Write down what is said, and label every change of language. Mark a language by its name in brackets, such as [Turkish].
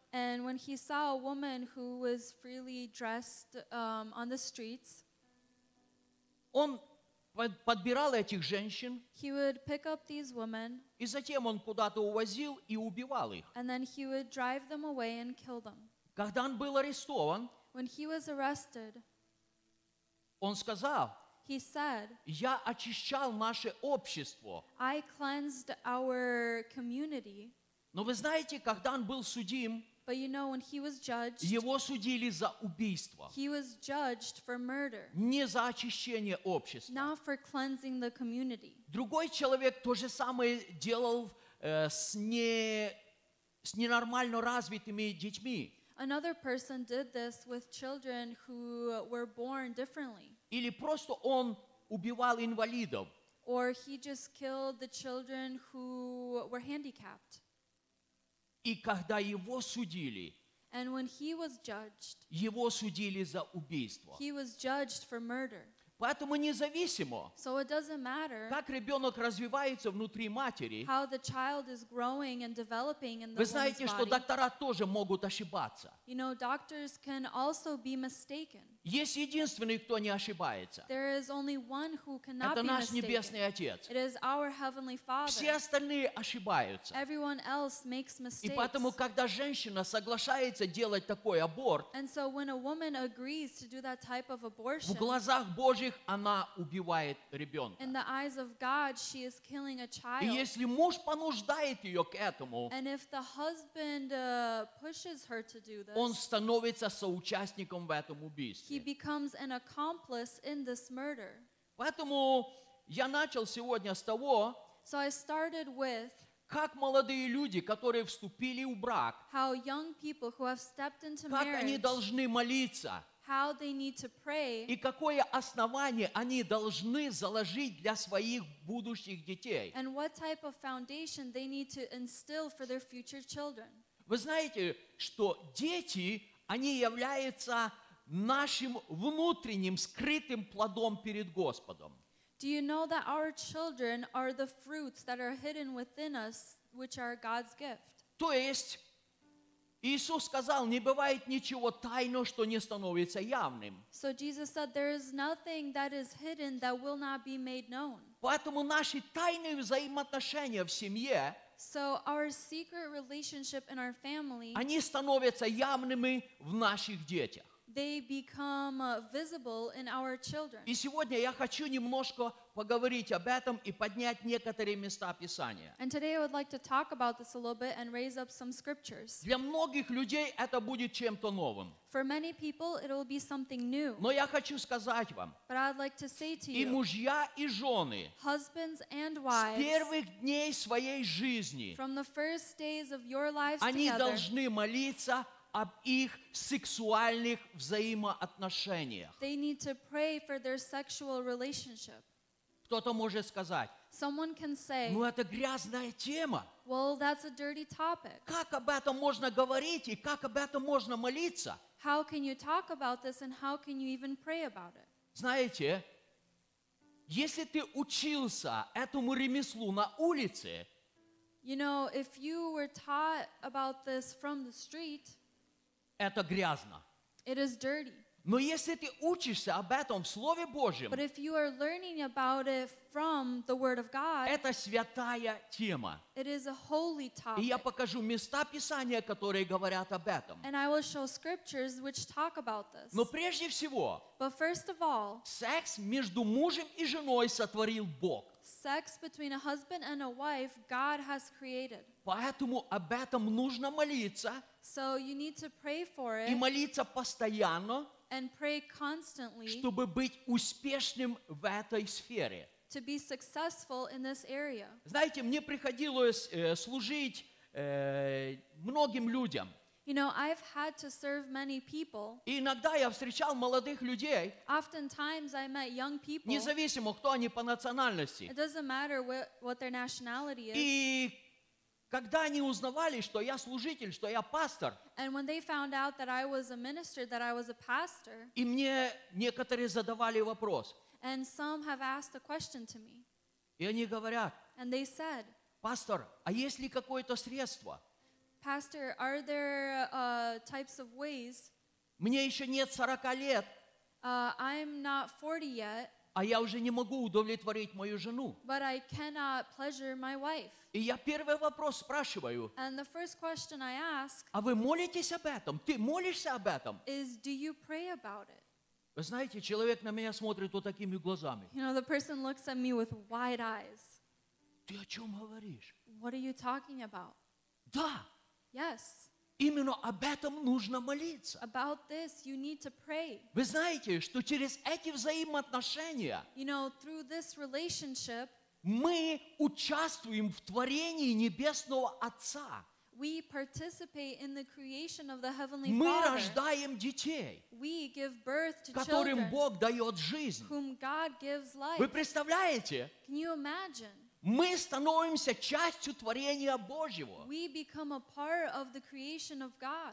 [English] And when he saw a woman who was freely dressed on the streets, [Russian] он подбирал этих женщин, [English] he would pick up these women, [Russian] и затем он куда-то увозил и убивал их. [English] And then he would drive them away and kill them. [Russian] Когда он был арестован, [English] when he was arrested, [Russian] он сказал, [English] he said, [Russian] я очищал наше общество. [English] I cleansed our community. [Russian] Но вы знаете, когда он был судим, [English] but you know, when he was judged, [Russian] его судили за убийство. [English] He was judged for murder. [Russian] Не за очищение общества. [English] Not for cleansing the community. [Russian] Другой человек то же самое делал с ненормально развитыми детьми. [English] Another person did this with children who were born differently. [Russian] Или просто он убивал инвалидов. [English] Or he just killed the children who were handicapped. [Russian] И когда его судили, [English] and when he was judged, [Russian] его судили за убийство. [English] He was judged for murder. [Russian] Поэтому независимо, [English] so it doesn't matter, [Russian] как ребенок развивается внутри матери, [English] how the child is growing and developing in the [Russian] вы знаете, [English] body, [Russian] что доктора тоже могут ошибаться. [English] You know, doctors can also be mistaken. [Russian] Есть единственный, кто не ошибается. [English] There is only one who cannot [Russian] это [English] be [Russian] наш [English] mistaken. [Russian] Небесный Отец. [English] It is our Heavenly Father. [Russian] Все остальные ошибаются. [English] Everyone else makes mistakes. [Russian] И поэтому, когда женщина соглашается делать такой аборт, [English] and so when a woman agrees to do that type of abortion, [Russian] в глазах Божьих она убивает ребенка. [English] In the eyes of God, she is killing a child. [Russian] И если муж понуждает ее к этому, [English] and if the husband pushes her to do this, [Russian] он становится соучастником в этом убийстве. [English] He becomes an accomplice in this murder. [Russian] Поэтому я начал сегодня с того, [English] so I started with [Russian] как молодые люди, которые вступили в брак, [English] how young people who have stepped into [Russian] как [English] marriage, [Russian] они должны молиться, [English] how they need to pray, [Russian] и какое основание они должны заложить для своих будущих детей. [English] And what type of foundation they need to instill for their future children. [Russian] Вы знаете, что дети, они являются нашим внутренним скрытым плодом перед Господом. [English] Do you know that our children are the fruits that are hidden within us, which are God's gift? [Russian] То есть Иисус сказал, не бывает ничего тайного, что не становится явным. [English] So Jesus said, there is nothing that is hidden that will not be made known. [Russian] Поэтому наши тайные взаимоотношения в семье, [English] so our secret relationship in our family, [Russian] они становятся явными в наших детях. [English] They become visible in our children. [Russian] И сегодня я хочу немножко поговорить об этом и поднять некоторые места Писания. [English] And today I would like to talk about this a little bit and raise up some scriptures. [Russian] Для многих людей это будет чем-то новым. [English] For many people it will be something new. [Russian] Но я хочу сказать вам. [English] But I'd like to say to you. [Russian] И мужья и жены. [English] Husbands and wives. [Russian] С первых дней своей жизни. [English] From the first days of your lives [Russian] они [English] together. [Russian] Они должны молиться об их сексуальных взаимоотношениях. [English] They need to pray for their sexual relationship. [Russian] Кто-то может сказать, [English] someone can say, [Russian] ну это грязная тема. [English] Well, that's a dirty topic. [Russian] Как об этом можно говорить и как об этом можно молиться? [English] How can you talk about this and how can you even pray about it? [Russian] Знаете, если ты учился этому ремеслу на улице, [English] you know, if you were taught about this from the street, [Russian] это грязно. [English] It is dirty. [Russian] Но если ты учишься об этом в Слове Божьем, [English] but if you are learning about it from the Word of God, [Russian] это святая тема. [English] It is a holy topic. [Russian] И я покажу места Писания, которые говорят об этом. [English] And I will show scriptures which talk about this. [Russian] Но прежде всего, [English] but first of all, [Russian] секс между мужем и женой сотворил Бог. [English] Sex between a husband and a wife, God has created. [Russian] Поэтому об этом нужно молиться. [English] So you need to pray for it. [Russian] И молиться постоянно. [English] And pray constantly. [Russian] Чтобы быть успешным в этой сфере. [English] To be successful in this area. [Russian] Знаете, мне приходилось служить многим людям. [English] You know, I've had to serve many people. [Russian] И иногда я встречал молодых людей. [English] Oftentimes I met young people. [Russian] Независимо, кто они по национальности. [English] It doesn't matter what their nationality is. [Russian] И когда они узнавали, что я служитель, что я пастор. [English] And when they found out that I was a minister, that I was a pastor. [Russian] И мне некоторые задавали вопрос. [English] And some have asked a question to me. [Russian] И они говорят. [English] And they said. [Russian] Пастор, а есть ли какое-то средство? [English] Pastor, are there types of ways? [Russian] Мне еще нет 40 лет. [English] I'm not 40 yet. [Russian] А я уже не могу удовлетворить мою жену. [English] But I cannot pleasure my wife. [Russian] И я первый вопрос спрашиваю. [English] And the first question I ask, [Russian] а вы молитесь об этом? Ты молишься об этом? [English] Is, do you pray about it? [Russian] Вы знаете, человек на меня смотрит вот такими глазами. [English] You know, the person looks at me with wide eyes. [Russian] Ты о чем говоришь? [English] What are you talking about? [Russian] Да. [English] Yes. [Russian] Именно об этом нужно молиться. [English] About this you need to pray. [Russian] Вы знаете, что через эти взаимоотношения, [English] you know, through this relationship, [Russian] мы участвуем в творении Небесного Отца. [English] We participate in the creation of the Heavenly [Russian] мы [English] Father. [Russian] Мы рождаем детей. [English] We give birth to [Russian] которым [English] children, [Russian] Бог дает жизнь. [English] Whom God gives life. [Russian] Вы представляете? [English] Can you imagine? [Russian] Мы становимся частью творения Божьего. [English] We become a part of the creation of God.